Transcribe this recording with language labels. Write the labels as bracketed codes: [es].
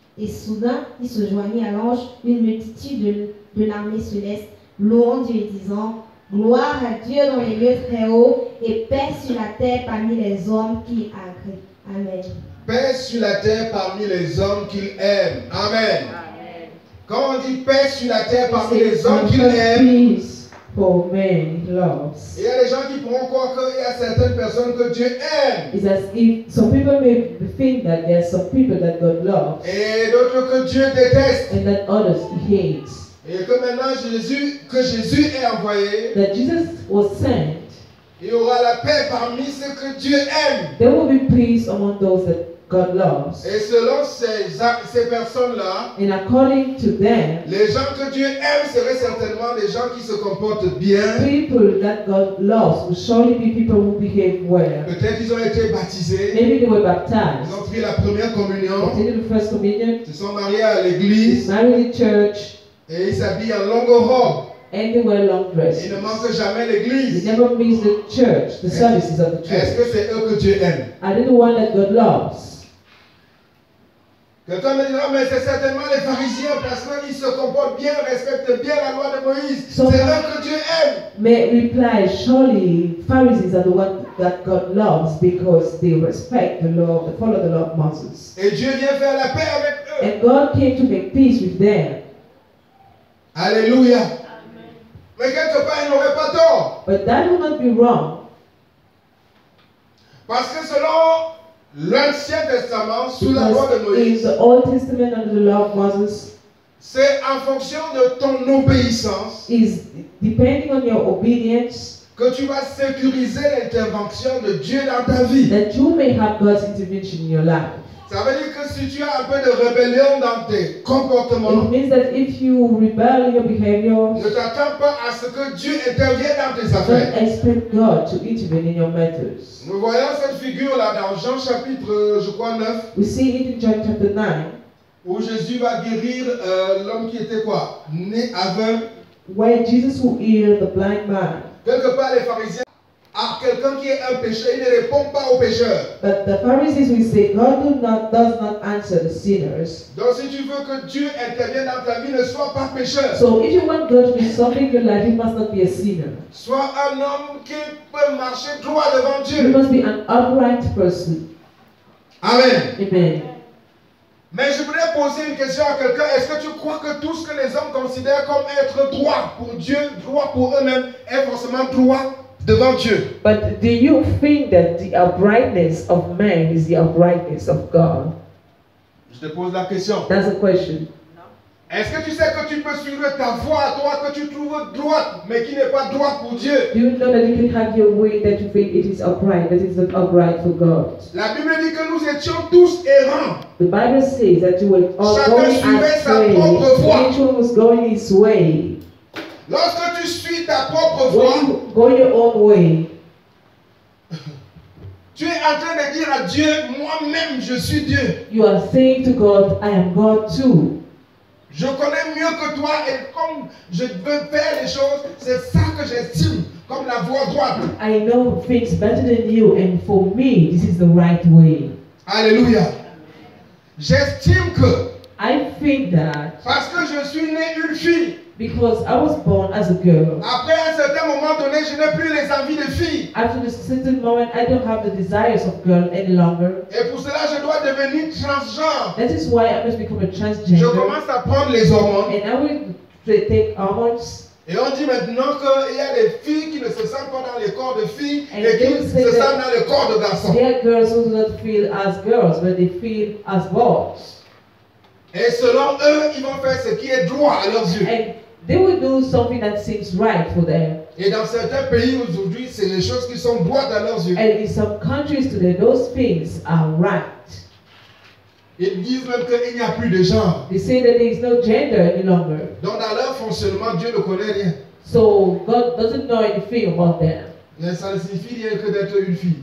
[fr] Et soudain, il se joignit à l'ange une multitude de l'armée céleste, louant Dieu et disant, gloire à Dieu dans les lieux très hauts et paix sur la terre parmi les hommes qu'il agrée. Amen. Paix sur la terre parmi les hommes qu'il aime. Amen. Quand on dit paix sur la terre parmi les hommes qu'il aime, [en] for men loves. [fr] Il y a des gens qui pourront croire qu'il y a certaines personnes que Dieu aime. [en] It's as if some people may think that there are some people that God loves. [fr] Et d'autres que Dieu déteste. [en] And that others he hates. [fr] Et que maintenant Jésus est envoyé. [en] That Jesus was sent. [fr] Il y aura la paix parmi ceux que Dieu aime. [en] There will be peace among those that God loves. [fr] Et selon ces personnes-là, [en] and according to them, [fr] les gens que Dieu aime seraient certainement des gens qui se comportent bien. [en] People that God loves will surely be people who behave well. [fr] Peut-être ils ont été baptisés. [en] Maybe they were baptized. [fr] Ils ont pris la première communion. [en] They did the first communion. [fr] Ils se sont mariés à l'église. [en] Married in church. [fr] Et ils s'habillent en longue robe. [en] And they wear long dresses. [fr] Ils ne manquent jamais l'église. [en] They never miss the church, the services of the church. [fr] Est-ce que c'est eux que Dieu aime? [en] Are they the one that God loves? [fr] Quelqu'un me dit, non, mais c'est certainement les pharisiens parce qu'ils se comportent bien, respectent bien la loi de Moïse. C'est eux que Dieu aime. [en] May reply, surely Pharisees are the ones that God loves because they respect the law, they follow the law of Moses. [fr] Et Dieu vient faire la paix avec eux. [en] And God came to make peace with them. [fr] Alléluia. Mais quelque part, il n'aurait pas tort. [en] But that would not be wrong. [fr] Parce que selon l'Ancien Testament, sous la loi de Moïse, [en] in the Old Testament under the law of Moses, [fr] c'est en fonction de ton obéissance [en] is depending on your obedience, [fr] que tu vas sécuriser l'intervention de Dieu dans ta vie. [en] That you may have God's intervention in your life. [fr] Ça veut dire que si tu as un peu de rébellion dans tes comportements, [en] it means that if you rebel your behavior, [fr] ne t'attends pas à ce que Dieu intervienne dans tes affaires. [en] Don't expect God to intervene in your matters. [fr] Nous voyons cette figure là dans Jean chapitre, je crois, 9. [en] We see it in John chapter 9. [fr] Où Jésus va guérir l'homme qui était quoi? Né aveugle. [en] Where Jesus will heal the blind man. [fr] Quelque part les pharisiens. Ah, quelqu'un qui est un pécheur, il ne répond pas aux pécheurs. [en] But the Pharisees will say, God does not answer the sinners. [fr] Donc si tu veux que Dieu intervienne dans ta vie, ne sois pas pécheur. [en] So if you want God to do something in your life, you must not be a sinner. [fr] Sois un homme qui peut marcher droit devant Dieu. [en] You must be an upright person. Amen. Amen. [fr] Mais je voudrais poser une question à quelqu'un. Est-ce que tu crois que tout ce que les hommes considèrent comme être droit pour Dieu, droit pour eux-mêmes, est forcément droit devant Dieu? [en] But do you think that the uprightness of man is the uprightness of God? [fr] Je te pose la question. [en] That's a question. [fr] Est-ce que tu sais que tu peux suivre ta voie à toi que tu trouves droite, mais qui n'est pas droite pour Dieu? [en] Do you know that you can have your way that you think it is upright, that it is not upright for God? [fr] La Bible dit que nous étions tous errants. [en] The Bible says that you were all going astray. [fr] Chacun suivait sa propre voie. [en] Each one was going his way. [fr] Lorsque tu suis ta propre voie, [en] when you go your own way, [fr] tu es en train de dire à Dieu, moi-même je suis Dieu. [en] You are saying to God, I am God too. [fr] Je connais mieux que toi et comme je veux faire les choses, c'est ça que j'estime comme la voie droite. [en] I know things better than you and for me, this is the right way. [fr] Alléluia. J'estime que [en] I think that [fr] parce que je suis né une fille. [en] Because I was born as a girl. [fr] Après un certain moment donné, je n'ai plus les envies de fille. [en] After a certain moment, I don't have the desires of girl any longer. [fr] Et pour cela, je dois devenir transgenre. [en] That is why I must become a transgender. [fr] Je commence à prendre les hormones. [en] And I will take hormones. [fr] Et on dit maintenant qu'il y a des filles qui ne se sentent pas dans les corps de filles et qui se sentent dans les corps de garçons. [en] There are girls who do not feel as girls, but they feel as boys. [fr] Et selon eux, ils vont faire ce qui est droit à leurs yeux. [en] And they will do something that seems right for them. [fr] Et dans certains pays aujourd'hui, c'est les choses qui sont droites à leurs yeux. [en] And in some countries today, those things are right. [fr] Ils disent même qu'il n'y a plus de genre. [en] They say that there is no gender any longer. [fr] Donc dans leur fonctionnement, Dieu ne connaît rien. [en] So God doesn't know anything about them. [fr] Mais ça ne signifie rien que d'être une fille.